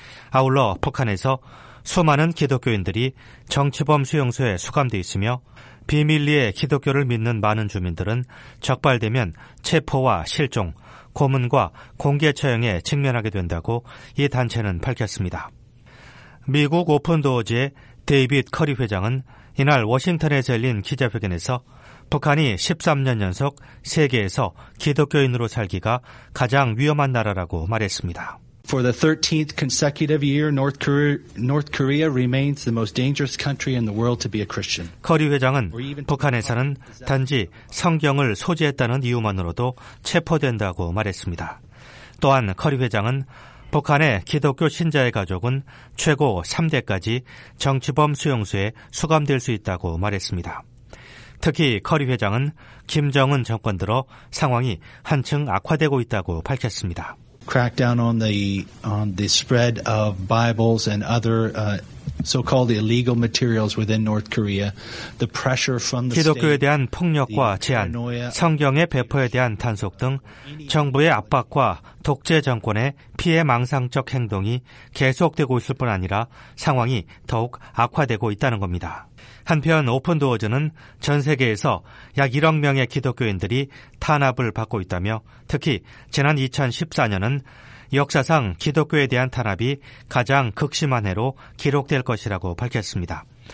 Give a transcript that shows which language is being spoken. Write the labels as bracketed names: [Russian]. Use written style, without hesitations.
[Korean] 아울러 북한에서 수많은 기독교인들이 정치범 수용소에 수감돼 있으며 비밀리에 기독교를 믿는 많은 주민들은 적발되면 체포와 실종, 고문과 공개 처형에 직면하게 된다고 이 단체는 밝혔습니다. 미국 오픈도어즈의 데이빗 커리 회장은 이날 워싱턴에서 열린 기자회견에서 북한이 13년 연속 세계에서 기독교인으로 살기가 가장 위험한 나라라고 말했습니다. [English] For the 13th consecutive year, North Korea remains the most dangerous country in the world to be a Christian. [Korean] 커리 회장은 북한에서는 단지 성경을 소지했다는 이유만으로도 체포된다고 말했습니다. 또한 커리 회장은 북한의 기독교 신자의 가족은 최고 3대까지 정치범 수용소에 수감될 수 있다고 말했습니다. 특히 커리 회장은 김정은 정권 들어 상황이 한층 악화되고 있다고 밝혔습니다. [English] Crackdown on the spread of Bibles and other so-called illegal materials within North Korea. The pressure from the [Korean] 기독교에 대한 폭력과 제한, 성경의 배포에 대한 단속 등 정부의 압박과 독재 정권의 피해망상적 행동이 계속되고 있을 뿐 아니라 상황이 더욱 악화되고 있다는 겁니다. 한편 오픈도어즈는 전 세계에서 약 1억 명의 기독교인들이 탄압을 받고 있다며 특히 지난 2014년은 역사상 기독교에 대한 탄압이 가장 극심한 해로 기록될 것이라고 밝혔습니다.